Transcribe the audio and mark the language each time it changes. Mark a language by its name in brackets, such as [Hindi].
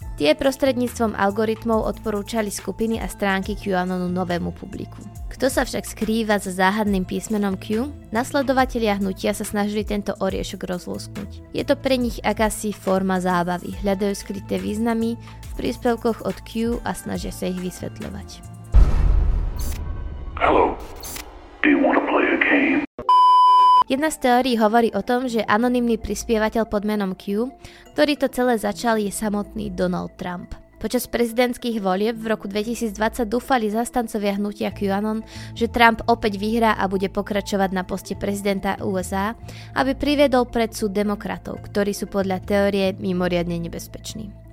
[Slovak] Tie prostredníctvom algoritmov odporúčali skupiny a stránky QAnonu novému publiku. Kto sa však skrýva za záhadným písmenom Q? Nasledovatelia hnutia sa snažili tento oriešok rozlúsknuť. Je to pre nich akási forma zábavy, hľadajú skryté významy v príspevkoch od Q a snažia sa ich vysvetľovať. [English] Hello. Do you want to play a game? [Slovak] Jedna z teórií hovorí o tom, že anonymný prispievateľ pod menom Q, ktorý to celé začal, je samotný Donald Trump. Počas prezidentských volieb v roku 2020 dúfali zastancovia hnutia QAnon, že Trump opäť vyhrá a bude pokračovať na poste prezidenta USA, aby priviedol pred súd demokratov, ktorí sú podľa teórie mimoriadne nebezpeční.